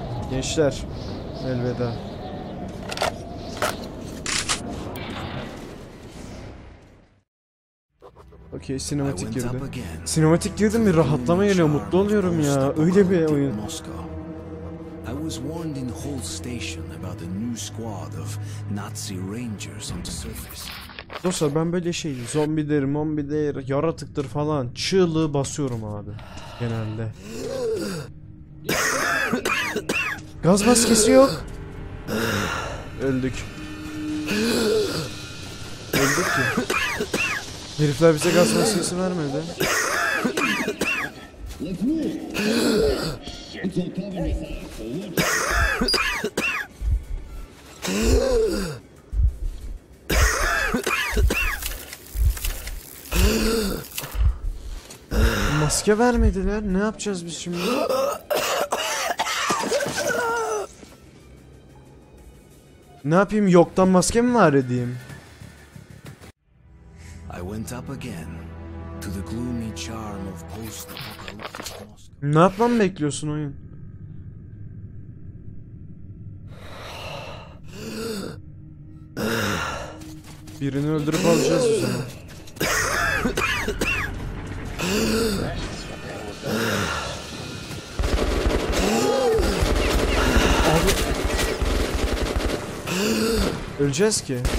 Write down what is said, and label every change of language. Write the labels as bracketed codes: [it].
[tr] Gençler elveda. Okey sinematik girdi. Sinematik girdi mi rahatlama geliyor, mutlu oluyorum ya. Öyle bir oyun. [en] I was warned in Hull Station about a new squad of Nazi Rangers on the surface. [tr] Dostlar ben böyle şey zombidir, mombidir, yaratıktır falan çığlığı basıyorum abi genelde. Gaz maskesi yok. Öldük. Öldük ya. Herifler bize gaz maskesi vermedi. Maske vermediler. Ne yapacağız biz şimdi? Ne yapayım? Yoktan maske mi var edeyim? [en] I went up again to the gloomy charm of post-apocalyptic Moscow. [tr] Ne yapmam bekliyorsun oyun? Birini öldürüp alacağız üzerine. Abi. Öleceğiz ki.